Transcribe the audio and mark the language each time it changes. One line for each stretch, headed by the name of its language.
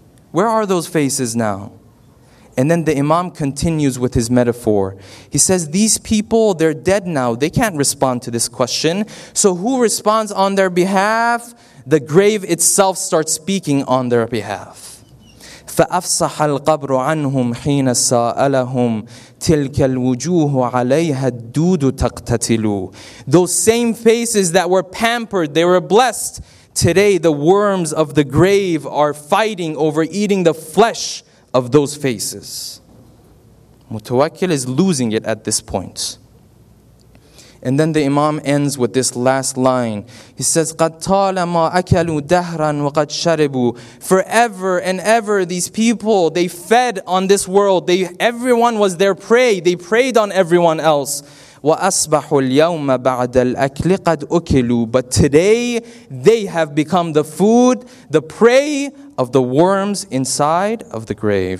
English: Where are those faces now? And then the Imam continues with his metaphor. He says, these people, they're dead now. They can't respond to this question. So who responds on their behalf? The grave itself starts speaking on their behalf.
Arabic: فأفصح القبر عنهم حين سألهم تلك الوجوه عليها الدود تقتتل.
English: Those same faces that were pampered, they were blessed. Today the worms of the grave are fighting over eating the flesh of those faces. Mutawakkil is losing it at this point. And then the Imam ends with this last line. He says,
Arabic: قَدْ طَالَمَا أَكَلُوا دَهْرًا وَقَدْ شَرِبُوا.
English: Forever and ever, these people, they fed on this world. Everyone was their prey. They preyed on everyone else.
Arabic: وَأَصْبَحُوا الْيَوْمَ بَعْدَ الْأَكْلِ قَدْ أُكِلُوا.
English: But today, they have become the food, the prey of the worms inside of the grave.